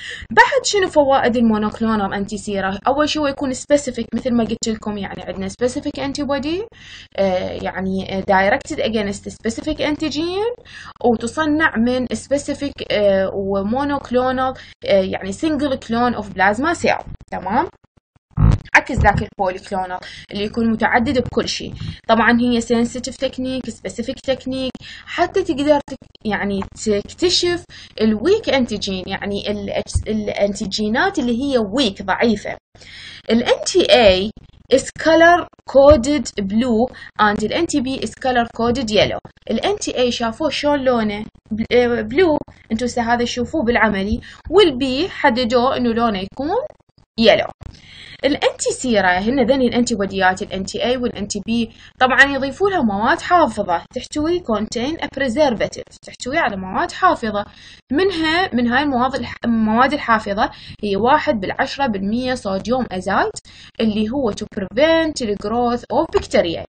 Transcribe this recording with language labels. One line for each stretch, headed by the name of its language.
Arabic: بعد شنو فوائد المونوكلونال انتي سيرا؟ اول شيء هو يكون سبيسيفيك مثل ما قلت لكم، يعني عندنا سبيسيفيك انتي بودي يعني دايركتد اجينست سبيسيفيك انتيجين، وتصنع من سبيسيفيك ومونوكلونال يعني سنجل كلون اوف بلازما سيل، تمام. عكس ذاك البوليكلونال اللي يكون متعدد بكل شيء. طبعا هي سنسيتيف تكنيك سبيسيفيك تكنيك حتى تقدر يعني تكتشف الويك انتيجين، يعني الانتيجينات اللي هي ويك ضعيفه.
English: الانتي اي is color coded blue and the NTB is color coded yellow.
Arabic: ال NTA شافوه شلون لونه؟ blue. انتو هسه هذا شوفوه بالعملي، وال B حددوه انه لونه يكون يلو. الانتي سيره هن ذني الانتي بوديات الانتي اي والانتي بي طبعا يضيفونها مواد حافظه تحتوي كونتين بريزرفاتيف تحتوي على مواد حافظه منها من هاي المواد الحافظه هي 1% صوديوم ازايت اللي هو تو بريفنت الجروث اوف بكتيريا.